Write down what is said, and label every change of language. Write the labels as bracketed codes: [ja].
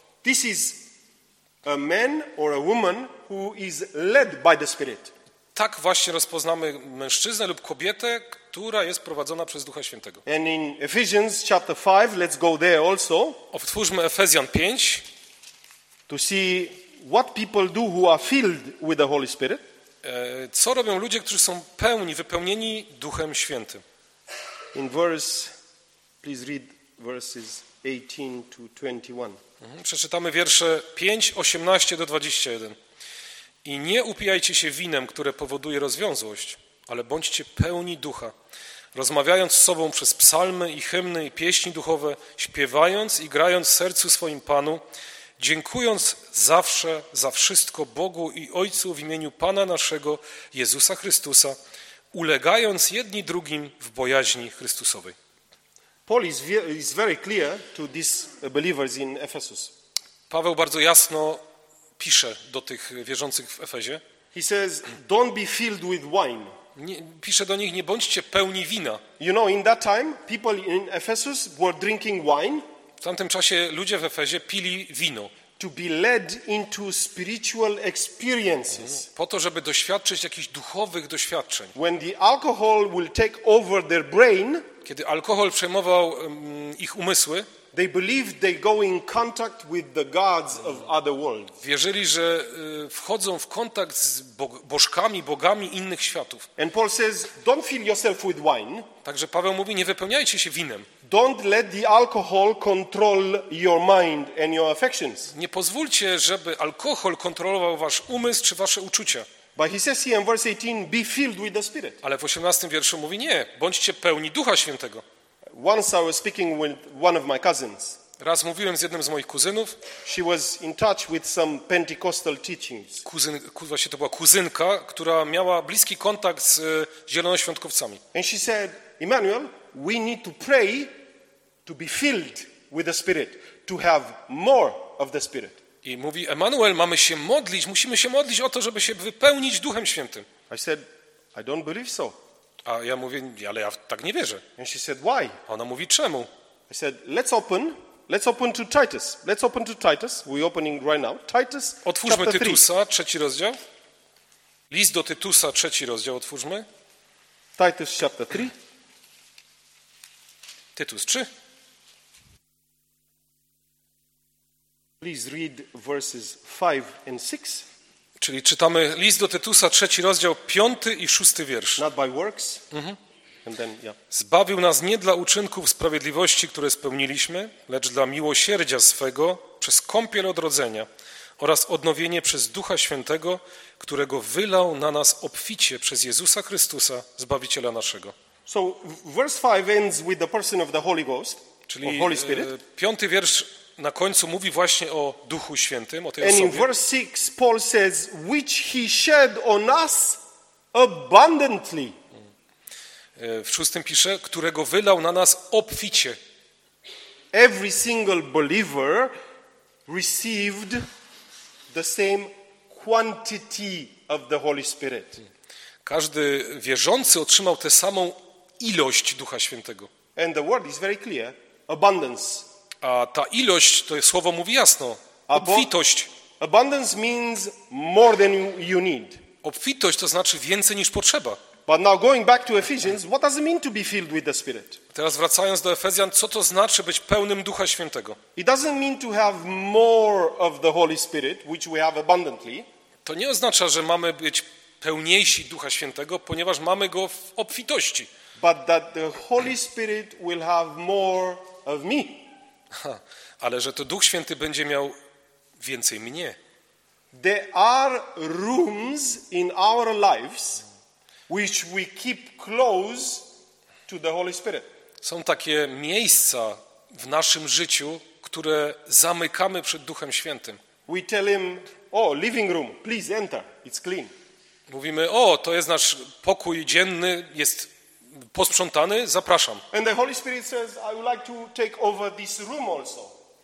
[en] This is a man or a woman who is led by the Spirit. [pl] Tak właśnie rozpoznamy mężczyznę lub kobietę, która jest prowadzona przez Ducha Świętego. [en] And in Ephesians chapter 5, let's go there also. [pl] Otwórzmy Efezjan 5. [en] To see what people do who are filled with the Holy Spirit. [pl] Co robią ludzie, którzy są pełni, wypełnieni Duchem Świętym? [en] In verse, please read verses 18 to 21. [pl] Przeczytamy wiersze 5, 18 do 21. I nie upijajcie się winem, które powoduje rozwiązłość, ale bądźcie pełni ducha, rozmawiając z sobą przez psalmy i hymny i pieśni duchowe, śpiewając i grając w sercu swoim Panu, dziękując zawsze za wszystko Bogu i Ojcu w imieniu Pana naszego Jezusa Chrystusa, ulegając jedni drugim w bojaźni Chrystusowej. [en] Paul is very clear to these believers in Ephesus. [pl] Paweł bardzo jasno pisze do tych wierzących w Efezie. [en] He says, don't be filled with wine. [pl] Nie, pisze do nich, nie bądźcie pełni wina. [en] You know, in that time, people in Ephesus were drinking wine. [pl] W tamtym czasie ludzie w Efezie pili wino. [en] To be led into spiritual experiences. [pl] Po to, żeby doświadczyć jakichś duchowych doświadczeń. [en] When the alcohol will take over their brain. [pl] Kiedy alkohol przejmował ich umysły. [en] They believed they go in contact with the gods of other worlds. [pl] Wierzyli, że wchodzą w kontakt z bożkami, bogami innych światów. [en] And Paul says, don't fill yourself with wine. [pl] Także Paweł mówi, nie wypełniajcie się winem. [en] Don't let the alcohol control your mind and your affections. [pl] Nie pozwólcie, żeby alkohol kontrolował wasz umysł czy wasze uczucia. [en] But he says here in verse 18, be filled with the Spirit. [pl] Ale w 18 wierszu mówi, nie, bądźcie pełni Ducha Świętego. [en] Once I was speaking with one of my cousins. [pl] Raz mówiłem z jednym z moich kuzynów. [en] She was in touch with some Pentecostal teachings. [pl] Właśnie to była kuzynka, która miała bliski kontakt z zielonoświątkowcami. [en] And she said, Emmanuel, we need to pray to be filled with the Spirit, to have more of the Spirit. [pl] I mówi, Emmanuel, mamy się modlić, musimy się modlić o to, żeby się wypełnić Duchem Świętym. [en] I said, I don't believe so. [pl] A ja mówię, ale ja tak nie wierzę. [en] And she said, why? [pl] A ona mówi, czemu? [en] I said, let's open to Titus. Let's open to Titus. We're opening right now. Titus, [pl] otwórzmy [en] chapter [pl] Tytusa, 3. Trzeci rozdział. List do Tytusa, trzeci rozdział, otwórzmy. [en] Titus, chapter 3. [pl] Tytus 3. [en] Please read verses 5 and 6. [pl] Czyli czytamy list do Tytusa, trzeci rozdział, piąty i szósty wiersz. [en] Not by works. Mm-hmm. And then, yeah. [pl] Zbawił nas nie dla uczynków sprawiedliwości, które spełniliśmy, lecz dla miłosierdzia swego przez kąpiel odrodzenia oraz odnowienie przez Ducha Świętego, którego wylał na nas obficie przez Jezusa Chrystusa, Zbawiciela naszego. [en] So verse 5 ends with the person of the Holy Ghost. [pl] Czyli piąty wiersz na końcu mówi właśnie o Duchu Świętym, o tej osobie. [en] And in verse 6 Paul says, which he shed on us abundantly. [pl] W szóstym pisze, którego wylał na nas obficie. [en] Every single believer received the same quantity of the Holy Spirit. [pl] Każdy wierzący otrzymał tę samą ilość Ducha Świętego. [en] And the word is very clear, abundance. [pl] A ta ilość, to słowo mówi jasno, obfitość. [en] Abundance means more than you need. [pl] Obfitość to znaczy więcej niż potrzeba. [en] But now going back to Ephesians, what does it mean to be filled with the Spirit? [pl] Teraz wracając do Efezjan, co to znaczy być pełnym Ducha Świętego? [en] It doesn't mean to have more of the Holy Spirit, which we have abundantly. [pl] To nie oznacza, że mamy być pełniejsi Ducha Świętego, ponieważ mamy go w obfitości. [en] But that the Holy Spirit will have more of me. [pl] Ale że to Duch Święty będzie miał więcej mnie. [en] There are rooms in our lives which we keep close to the Holy Spirit. [pl] Są takie miejsca w naszym życiu, które zamykamy przed Duchem Świętym. [en] We tell him, oh, living room, please enter, it's clean. [pl] Mówimy, o, to jest nasz pokój dzienny, jest posprzątany, zapraszam. [en] And the Holy Spirit says, I would like to take over this room also.